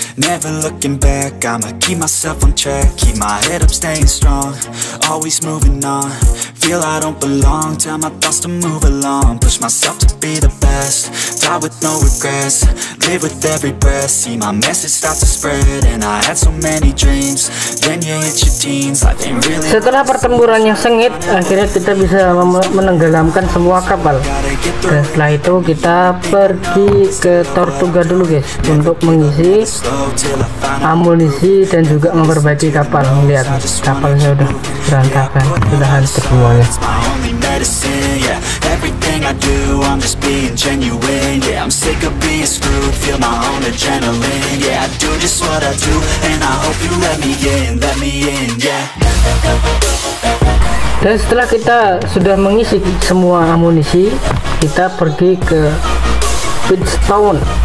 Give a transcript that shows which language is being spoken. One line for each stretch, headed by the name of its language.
English: Never looking back, I'ma keep myself on track. Keep my head up, staying strong, always moving on. Feel I don't belong, tell my thoughts to move along. Push myself to be the best, die with no regrets. Live with every breath, see my message start to spread. And I had so many dreams, then you hit your teens. Life ain't really.
Indonesian: Setelah pertempuran yang sengit, akhirnya kita bisa menenggelamkan semua kapal. Dan setelah itu kita pergi ke Tortuga dulu guys, untuk mengisi amunisi dan juga memperbaiki kapal. Lihat, kapalnya udah berantakan, sudah hancur semuanya.
English: Everything I do, I'm just being genuine. Yeah, I'm sick of being screwed, feel my own adrenaline. Yeah, I do just what I do, and I hope you let me in, yeah.
Indonesian: Dan setelah kita sudah mengisi semua amunisi, kita pergi ke Pitstone.